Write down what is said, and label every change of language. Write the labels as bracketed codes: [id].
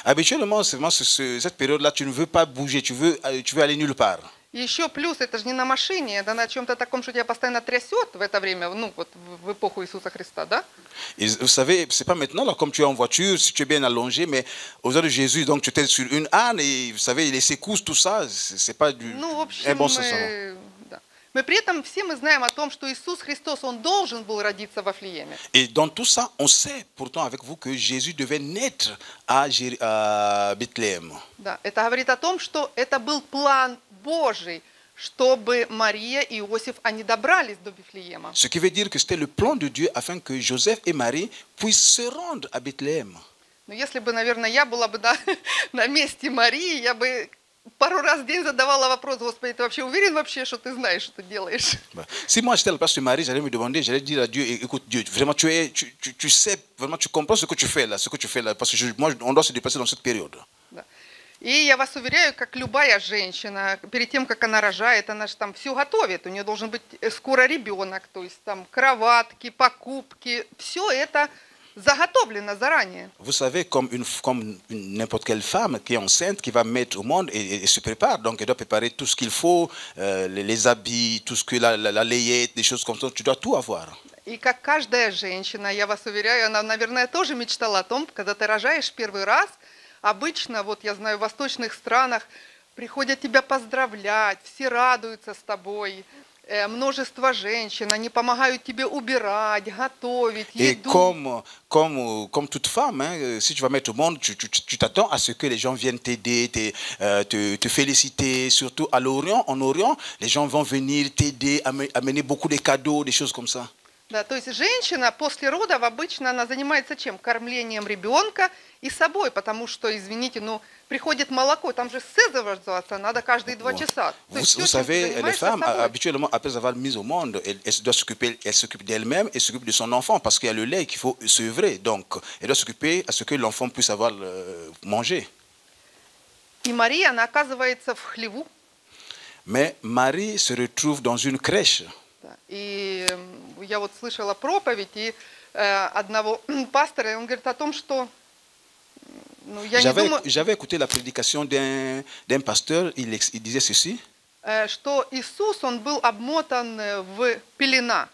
[fr] Habituellement, c'est vraiment cette période-là, tu ne veux pas bouger, tu veux aller nulle part. [ru] Еще плюс, это же не на машине, это на чем-то таком, что тебя постоянно трясет в это время, ну вот в эпоху Иисуса Христа, да? [fr] Et vous savez, c'est pas maintenant, là, comme tu es en voiture, si tu es bien allongé, mais aux heures de Jésus, donc tu es sur une âne, et vous savez, les secousses, tout ça, c'est pas du, [ru] ну, в общем, [fr] un bon sentiment. [ru] Мы при этом все мы знаем о том, что Иисус Христос, он должен был родиться в Вифлееме. И [fr] dans tout ça, on sait pourtant avec vous que Jésus devait naître à Bethléem. [ru] Да, это говорит о том, что это был план Божий, чтобы Мария и Иосиф они добрались до Вифлеема. [fr] Ce qui veut dire que c'était le plan de Dieu afin que Joseph et Marie puissent se rendre à Bethléem. [ru] Но если бы, наверное, я была бы на месте Марии, я бы Пару раз в день задавала вопрос: Господи, ты вообще уверен вообще, что ты знаешь, что ты делаешь? [fr] Si moi j'étais à la place de Marie, j'allais me demander, j'allais dire à Dieu, écoute Dieu, vraiment tu sais, vraiment tu comprends ce que tu fais là, ce que tu fais là, parce que on doit se dépasser dans cette période. [ru] И я вас уверяю, как любая женщина, перед тем, как она рожает, она же там все готовит. У нее должен быть скоро ребенок, то есть там кроватки, покупки, все это заготовлено заранее. Вы знаете, как [fr] n'importe quelle femme qui est enceinte, qui va mettre au monde et se prépare, donc elle doit préparer tout ce qu'il faut, les habits, tout ce que la layette, des choses comme ça, tu dois tout avoir. [ru] И как каждая женщина, я вас уверяю, она, наверное, тоже мечтала о том, когда ты рожаешь первый раз. Обычно, вот я знаю, в восточных странах приходят тебя поздравлять, все радуются с тобой. Множество женщин, они помогают тебе убирать, готовить, еду. [fr] Comme toute femme, hein, si tu vas mettre au monde, tu t'attends à ce que les gens viennent t'aider, te féliciter. Surtout à l'Orient, en Orient, les gens vont venir t'aider, amener beaucoup de cadeaux, des choses comme ça. [ru] Да, то есть женщина после родов обычно она занимается чем? Кормлением ребенка и собой, потому что, извините, ну приходит молоко, там же сызываться надо каждые два часа. Вы знаете, [fr] les femmes habituellement après avoir mis au monde, elle doit s'occuper, elle s'occupe d'elle-même et s'occupe de son enfant parce qu'il y a le lait qu'il faut sevrer, donc elle doit s'occuper à ce que l'enfant puisse avoir manger. [ru] И Мария, она оказывается в хлеву. [fr] Mais Marie se retrouve dans une crèche. [ru] И я вот слышала проповедь и одного пастора, и он говорит о том, что ну, я [fr] j'avais, [ru] не думаю... [fr] J'avais écouté la prédication d'un pasteur, il disait ceci. [ru] Что Иисус, он был обмотан в пелена.